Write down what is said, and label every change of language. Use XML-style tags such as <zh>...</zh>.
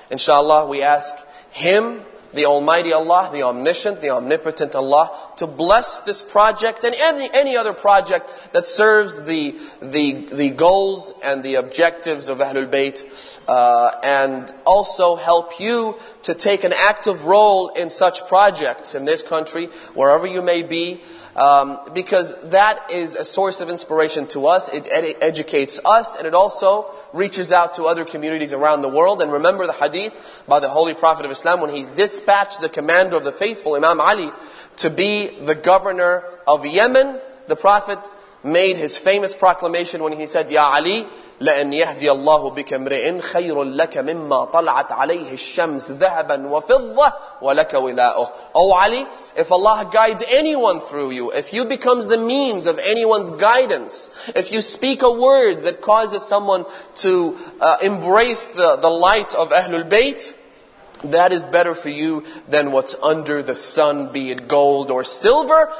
<en>Inshallah, we ask Him, the Almighty Allah, the Omniscient, the Omnipotent Allah, to bless this project and any other project that serves the goals and the objectives of Ahlul Bayt, and also help you to take an active role in such projects in this country, wherever you may be, because that is a source of inspiration to us. It educates us, and it also reaches out to other communities around the world. And remember the hadith by the Holy Prophet of Islam when he dispatched the commander of the faithful, Imam Ali, to be the governor of Yemen. The Prophet made his famous proclamation when he said, Ya Ali,</en> <ar>لَأَنْ يَهْدِيَ اللَّهُ بِكَ مْرِئٍ خَيْرٌ لَكَ مِمَّا طَلَعَتْ عَلَيْهِ الشَّمْسِ ذَهَبًا وَفِضَّةً وَلَكَ وِلَاؤُهُ.</ar> <en>Oh Ali, if Allah guides anyone through you, if you become the means of anyone's guidance, if you speak a word that causes someone to embrace the light of Ahlul Bayt, that is better for you than what's under the sun, be it gold or silver.</en>